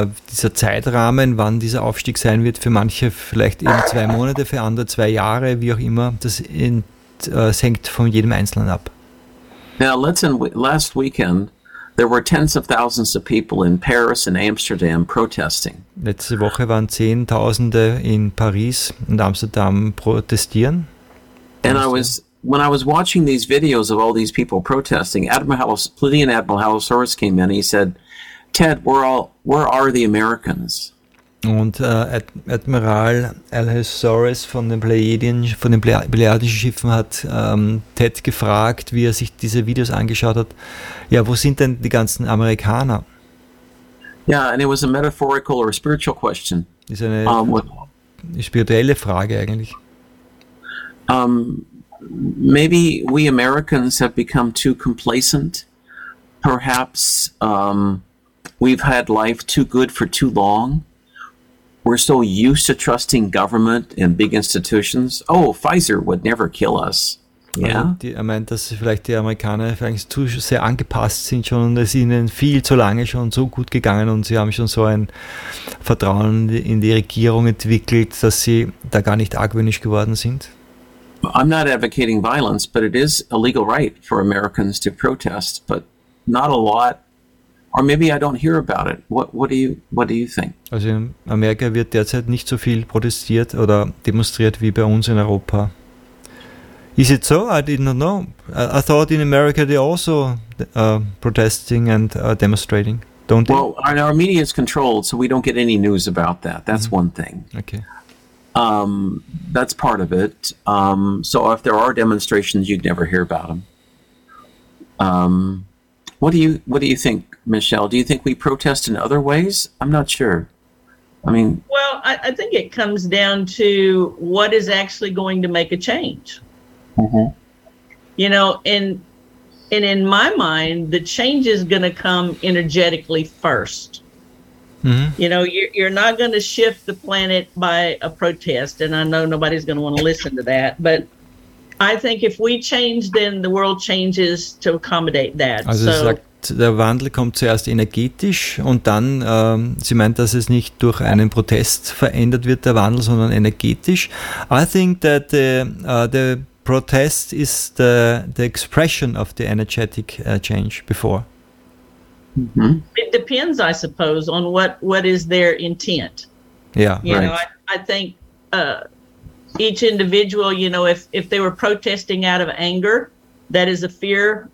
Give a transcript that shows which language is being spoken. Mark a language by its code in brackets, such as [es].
[de] Dieser Zeitrahmen, wann dieser Aufstieg sein wird, für manche vielleicht eben 2 Monate, für andere 2 Jahre, wie auch immer, das hängt von jedem Einzelnen ab. [en] Now, last weekend, there were tens of thousands of people in Paris and Amsterdam protesting. [de] Letzte Woche waren Zehntausende in Paris und Amsterdam protestieren. [en] And I was... When I was watching these videos of all these people protesting, Admiral Halosaurus came in. He said, "Ted, where are the Americans?" Und Admiral Halosaurus von den Pleiadischen Schiffen hat Ted gefragt, wie er sich diese Videos angeschaut hat. Ja, wo sind denn die ganzen Amerikaner? Yeah, and it was a metaphorical or spiritual question. Ist eine spirituelle Frage eigentlich. Maybe we Americans have become too complacent. Perhaps we've had life too good for too long. We're so used to trusting government and big institutions. Oh, Pfizer would never kill us. Yeah. [de] Er meint, dass vielleicht die Amerikaner vielleicht zu sehr angepasst sind schon und es ihnen viel zu lange schon so gut gegangen und sie haben schon so ein Vertrauen in die Regierung entwickelt, dass sie da gar nicht argwöhnisch geworden sind. [en] I'm not advocating violence, but it is a legal right for Americans to protest, but not a lot. Or maybe I don't hear about it. What do you think? Also in Amerika wird derzeit nicht so viel protestiert oder demonstriert wie bei uns in Europa. Is it so? I did not know. I thought in America they also protesting and demonstrating. Don't they? Well, our media is controlled, so we don't get any news about that. That's one thing. Okay. That's part of it. So if there are demonstrations, you'd never hear about them. What do you think, Michelle? Do you think we protest in other ways? I'm not sure. I mean, well, I think it comes down to what is actually going to make a change. Mm-hmm. You know, and in my mind, the change is going to come energetically first. Mm-hmm. You know, you're not going to shift the planet by a protest, and I know nobody's going to want to listen to that, but I think if we change, then the world changes to accommodate that. [de] Also [en] so, [de] sagt, der Wandel kommt zuerst energetisch und dann, sie meint, dass es nicht durch einen Protest verändert wird, der Wandel, sondern energetisch. [en] I think that the protest is the expression of the energetic change before. Mm-hmm. It depends, I suppose, on what is their intent. Yeah, you right. You know, I think each individual, you know, if they were protesting out of anger, that is a fear.